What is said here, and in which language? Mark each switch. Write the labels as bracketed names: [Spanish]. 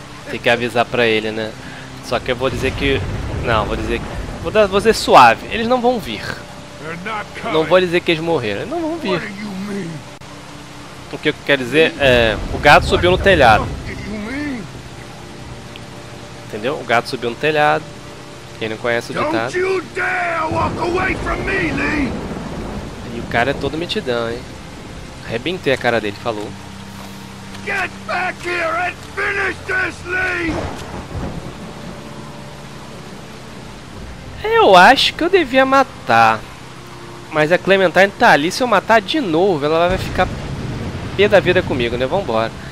[Portuguese] Tem que avisar pra ele, né? Só que eu vou dizer que. Vou dizer suave. Eles não vão vir. Não vou dizer que eles morreram. Eles não vão vir. O que eu quero dizer é. O gato subiu no telhado. Entendeu? O gato subiu no telhado. Quem não conhece o ditado. [English] Don't you dare walk away from me, Lee! [Portuguese] E o cara é todo metidão, hein? Arrebentei a cara dele, falou. [English] Get back here and finish this, Lee! [Portuguese] Eu acho que eu devia matar. Mas a Clementine tá ali. Se eu matar de novo, ela vai ficar pé da vida comigo, né? Vambora.